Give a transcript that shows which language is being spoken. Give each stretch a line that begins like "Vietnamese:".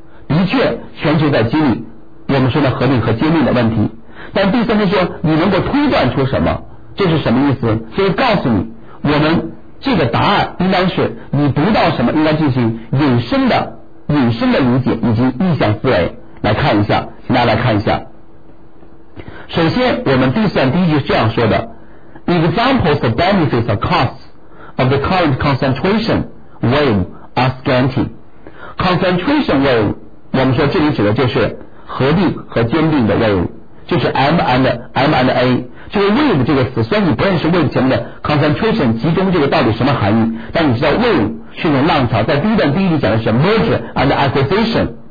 Chinese: 的确全球在经历我们说的合并和兼并的问题，但第三就说你能够推断出什么，这是什么意思？就是告诉你我们这个答案应当是你读到什么应该进行引申的理解以及意向思维。来看一下，请大家来看一下。首先我们第四段第一句是这样说的，
English: examples of benefits or costs of the current concentration wave are scanty。
Chinese: concentration wave 我们说这里指的就是合并和兼并的 wave， 就是 M&A。这个 wave 这个词虽然你不认识 wave 前面的 concentration 集中这个到底什么含义，但你知道 wave 去年浪潮，在第一段第一题讲的是
English: merger and acquisition。